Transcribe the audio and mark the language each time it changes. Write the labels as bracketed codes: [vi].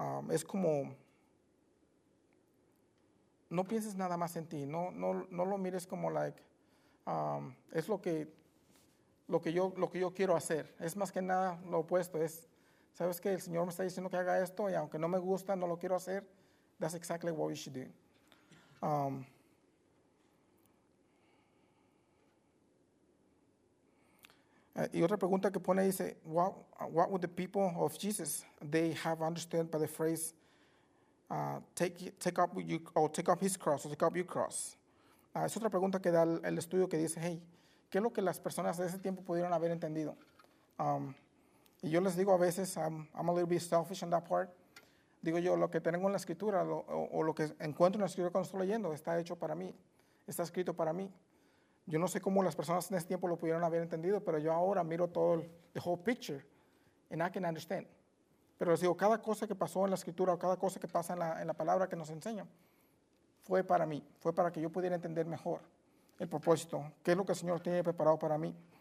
[es] Es como, no pienses nada más en ti. No lo mires como like, es lo que yo quiero hacer. Es más que nada lo opuesto. Es, ¿sabes qué? El Señor me está diciendo que haga esto y aunque no me gusta, no lo quiero hacer. [en] That's exactly what we should do. [es] Y otra pregunta que pone dice, [en] what would the people of Jesus they have understood by the phrase take up his cross or take up your cross? [es] Es otra pregunta que da el estudio que dice, hey, ¿qué es lo que las personas de ese tiempo pudieron haber entendido? Y yo les digo a veces, [en] I'm a little bit selfish on that part. [es] Digo yo, lo que tengo en la escritura o lo que encuentro en la escritura cuando estoy leyendo está hecho para mí, está escrito para mí. Yo no sé cómo las personas en ese tiempo lo pudieron haber entendido, pero yo ahora miro todo [en] the whole picture and I can understand. [es] Pero les digo, cada cosa que pasó en la escritura o cada cosa que pasa en la palabra que nos enseña fue para mí, fue para que yo pudiera entender mejor el propósito, qué es lo que el Señor tiene preparado para mí.